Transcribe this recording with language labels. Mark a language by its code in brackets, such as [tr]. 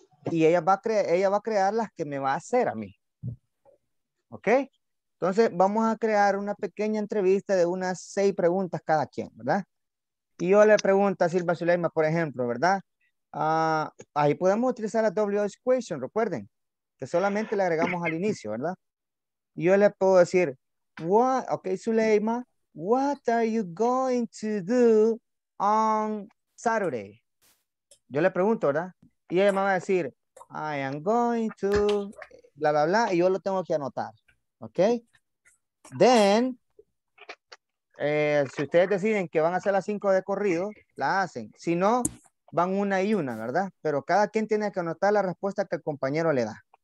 [es] Y ella va a crear las que me va a hacer a mí. ¿Ok? Entonces, vamos a crear una pequeña entrevista de unas 6 preguntas cada quien, ¿verdad? Y yo le pregunto a Silvia Zuleima, por ejemplo, ¿verdad? Ahí podemos utilizar la WH question, recuerden, que solamente le agregamos al inicio, ¿verdad? Y yo le puedo decir, [en] Zuleima, what are you going to do on Saturday? [es] Yo le pregunto, ¿verdad? Y ella me va a decir, [en] I am going to, [es] bla, bla, bla, y yo lo tengo que anotar. ¿Ok? [en] Then, [es] si ustedes deciden que van a hacer las 5 de corrido, la hacen. Si no, van una y una, ¿verdad? Pero cada quien tiene que anotar la respuesta que el compañero le da.